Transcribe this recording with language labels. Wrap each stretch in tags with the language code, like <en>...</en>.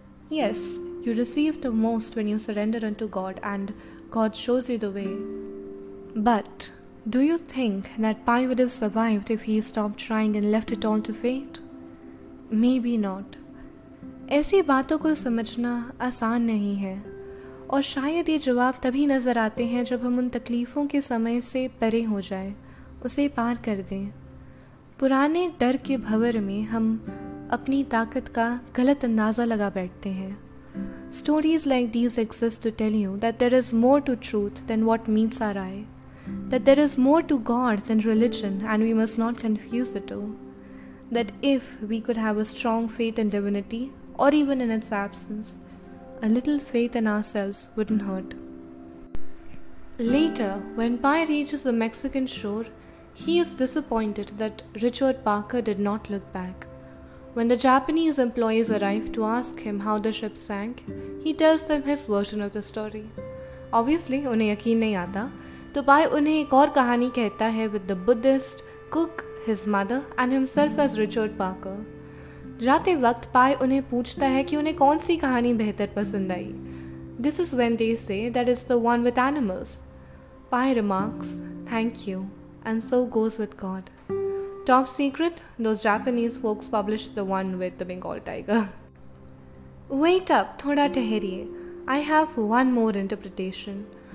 <en>Yes, you receive the most when you surrender unto God and God shows you the way. But do you think that Pi would have survived if he stopped trying and left it all to fate? Maybe not.</en> <hi>ऐसी बातों को समझना आसान नहीं है और शायद ये जवाब तभी नज़र आते हैं जब हम उन तकलीफ़ों के समय से परे हो जाए, उसे पार कर दें। पुराने डर के भंवर में हम अपनी ताकत का गलत अंदाज़ा लगा बैठते हैं।</hi> <en>Stories like these exist to tell you that there is more to truth than what meets our eye, that there is more to God than religion and we must not confuse the two, that if we could have a strong faith in divinity or even in its absence, a little faith in ourselves wouldn't hurt. Later, when Pi reaches the Mexican shore, he is disappointed that Richard Parker did not look back. When the Japanese employees arrive to ask him how the ship sank, he tells them his version of the story. Obviously,</en> <hi>उन्हें यकीन नहीं आता, तो Pi उन्हें एक और कहानी कहता है</hi> <en>with the Buddhist, cook, his mother and himself as Richard Parker.</en> <hi>जाते वक्त Pi उन्हें पूछता है कि उन्हें कौन सी कहानी बेहतर पसंद आई.</hi> <en>This is when they say that it's the one with animals. Pi remarks, thank you, and so goes with God. Top secret, those Japanese folks published the one with the Bengal tiger. Wait up,</en> <hi>thoda teheriye.</hi> <en>I have one more interpretation.</en>